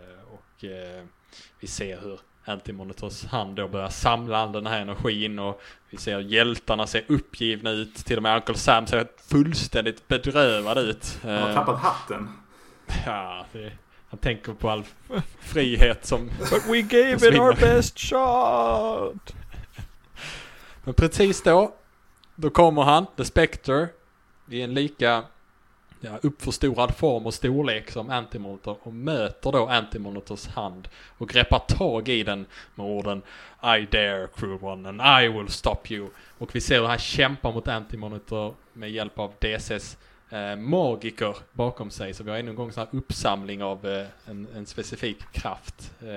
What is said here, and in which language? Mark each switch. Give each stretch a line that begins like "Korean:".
Swedish: Och vi ser hur Anti-Monitors hand då börjar samla den här energin, och vi ser hjältarna ser uppgivna ut. Till och med Uncle Sam ser fullständigt bedrövad ut. Han har tappat hatten. Ja, han tänker på all frihet som...
English: But we gave it our best shot!
Swedish: Men precis då kommer han, The Spectre, i en lika uppförstorad form och storlek som Antimonitor och möter då Antimonitors hand och greppar tag i den med orden
English: I dare, cruel one, and I will stop you.
Swedish: Och vi ser hur han kämpar mot Antimonitor med hjälp av DCs magiker bakom sig, så vi har ännu en gång så här uppsamling av en specifik kraft.